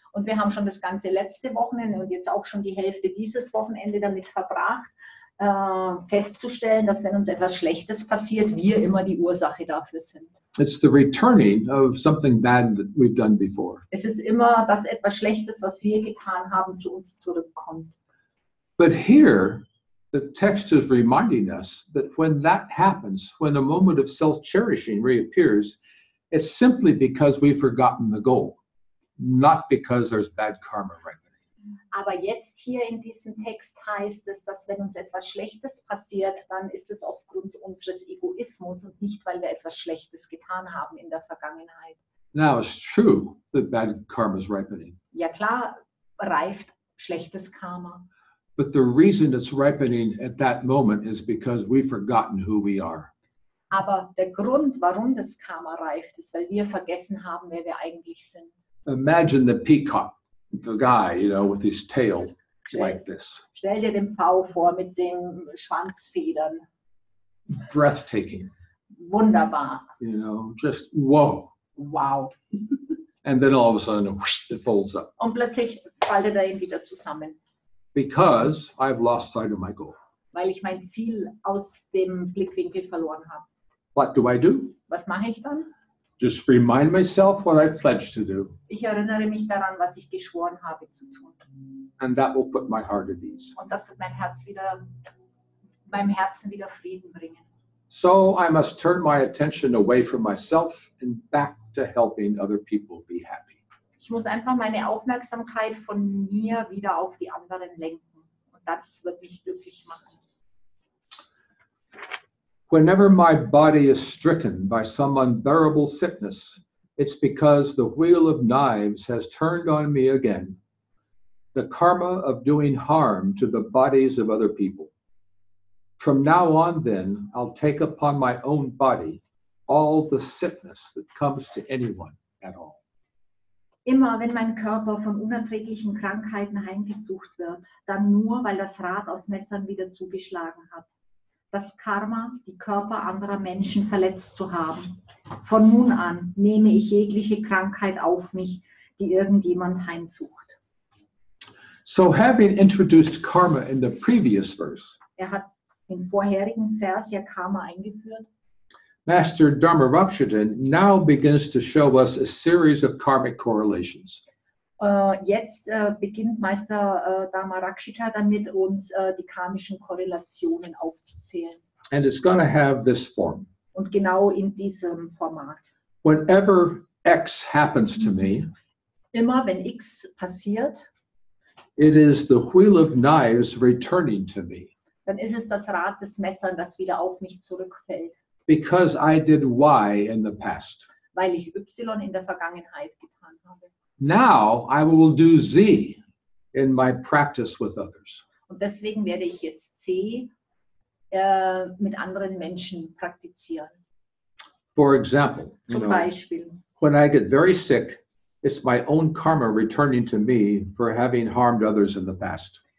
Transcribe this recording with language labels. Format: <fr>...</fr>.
<de>Und wir haben schon das ganze letzte Wochenende und jetzt auch schon die Hälfte dieses Wochenende damit verbracht, festzustellen, dass wenn uns etwas Schlechtes passiert, wir immer die Ursache dafür sind.</de> <en>It's the returning of something bad that we've done before.</en> <de>Es ist immer, dass etwas Schlechtes, was wir getan haben, zu uns zurückkommt.</de> <en>But here, the text is reminding us that when that happens, when a moment of self-cherishing reappears, it's simply because we've forgotten the goal, not because there's bad karma right there.</en> <de>Aber jetzt hier in diesem Text heißt es, dass wenn uns etwas Schlechtes passiert, dann ist es aufgrund unseres Egoismus und nicht, weil wir etwas Schlechtes getan haben in der Vergangenheit.</de> <en>Now it's true that bad karma is ripening.</en> <de>Ja klar, reift schlechtes Karma.</de> <en>But the reason it's ripening at that moment is because we've forgotten who we are.</en> <de>Aber der Grund, warum das Karma reift, ist, weil wir vergessen haben, wer wir eigentlich sind.</de> <en>Imagine the peacock. The guy, you know, with his tail like this.</en> <de>Stell dir den Pfau vor mit den Schwanzfedern.</de> <en>Breathtaking.</en> <de>Wunderbar.</de> <en>You know, just whoa.</en> <de>Wow.</de> <en>And then all of a sudden, whoosh, it folds up.</en> <de>Und plötzlich faltet ihn wieder zusammen.</de> <en>Because I've lost sight of my goal.</en> <de>Weil ich mein Ziel aus dem Blickwinkel verloren habe.</de> <en>What do I do?</en> <de>Was mache ich dann?</de> <en>Just remind myself what I pledged to do.</en> <de>Ich erinnere mich daran, was ich geschworen habe zu tun.</de> <en>And that will put my heart at ease.</en> <de>Und das wird mein Herz wieder, meinem Herzen wieder Frieden bringen.</de> <en>So I must turn my attention away from myself and back to helping other people be happy.</en> <de>Ich muss einfach meine Aufmerksamkeit von mir wieder auf die anderen lenken. Und das wird mich glücklich machen.</de> <en>Whenever my body is stricken by some unbearable sickness, it's because the wheel of knives has turned on me again. The karma of doing harm to the bodies of other people. From now on, then, I'll take upon my own body all the sickness that comes to anyone at all.</en> <de>Immer wenn mein Körper von unerträglichen Krankheiten heimgesucht wird, dann nur, weil das Rad aus Messern wieder zugeschlagen hat. Das Karma, die Körper anderer Menschen verletzt zu haben. Von nun an nehme ich jegliche Krankheit auf mich, die irgendjemand heimsucht.</de> <en>So having introduced karma in the previous verse,</en> <de>er hat im vorherigen Vers ja Karma eingeführt.</de> <en>Master Dharmaraksha now begins to show us a series of karmic correlations.</en> <de>Jetzt beginnt Meister Dharmaraksha damit, uns die karmischen Korrelationen aufzuzählen.</de> <en>And it's going to have this form.</en> <de>Und genau in diesem Format.</de> <en>Whenever X happens to me,</en> <de>immer wenn X passiert,</de> <en>it is the wheel of knives returning to me.</en> <de>Dann ist es das Rad des Messers, das wieder auf mich zurückfällt.</de> <en>Because I did Y in the past.</en> <de>Weil ich Y in der Vergangenheit getan habe.</de> <en>Now I will do Z in my practice with others.</en> <de>Und deswegen werde ich jetzt Z mit anderen Menschen praktizieren.</de> <en>For example,</en> <de>Zum Beispiel,</de> <en>when I get very sick, it's my own karma returning to me for having harmed others in the past.</en>